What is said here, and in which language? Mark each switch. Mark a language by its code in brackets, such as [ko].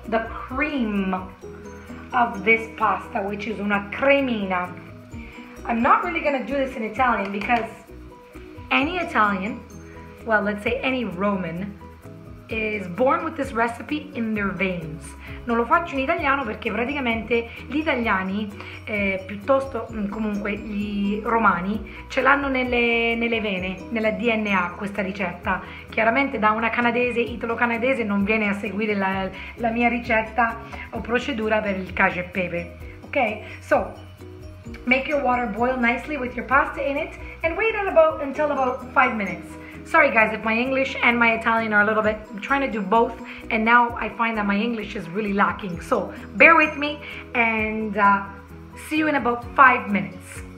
[en] The cream of this pasta, which is [it] una cremina. [en] I'm not really gonna do this in Italian because any Italian, well, let's say any Roman, is born with this recipe in their veins. [it] Non lo faccio in italiano perché praticamente gli italiani, piuttosto comunque gli romani, ce l'hanno nelle vene, nella DNA questa ricetta. Chiaramente da una canadese, italo-canadese, non viene a seguire la mia ricetta o procedura per il cacio e pepe. Ok? [en] So, make your water boil nicely with your pasta in it and wait until about 5 minutes. Sorry guys if my English and my Italian are a little bit, I'm trying to do both and now I find that my English is really lacking. So bear with me and see you in about 5 minutes.